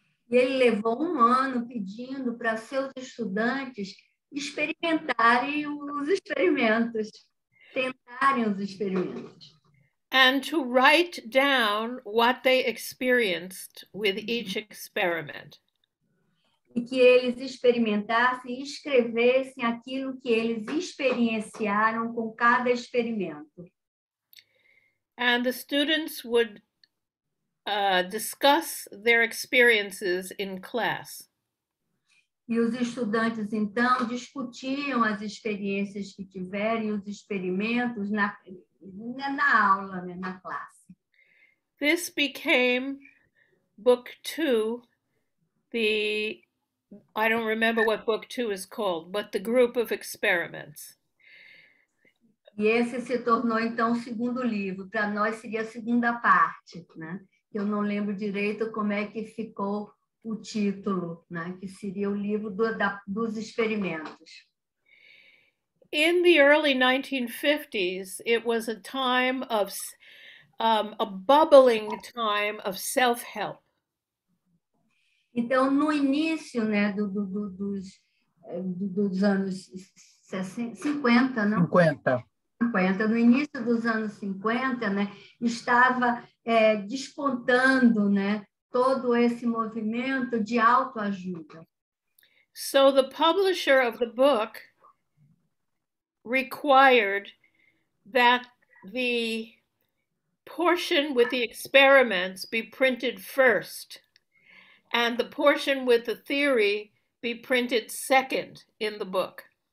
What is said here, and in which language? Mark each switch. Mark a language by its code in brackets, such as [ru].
[pt] E ele levou ano pedindo para seus estudantes experimentarem os experimentos, tentarem os experimentos. [en] And to write down what they experienced with each experiment. [pt] E que eles experimentassem e escrevessem aquilo que eles experienciaram com cada experimento. [en] And the students would discuss their experiences in class. [pt] E os estudantes, então, discutiam as experiências que tiveram e os experimentos na aula, né, na classe. [en] This became book two, I don't remember what book two is called, but the group of experiments. [pt] E esse se tornou, então, o segundo livro. Para nós seria a segunda parte, né? Eu não lembro direito como é que ficou o título, né? Que seria o livro dos experimentos. [en] In the early 1950s, it was a time of a bubbling time of self-help. [pt] Então, no início, né, dos anos 50, não? 50. 50. No início dos anos 50, né, estava despontando, né, todo esse movimento de autoajuda. [en] So the publisher of the book required that the portion with the experiments be printed first, and the portion with the theory be printed second in the book.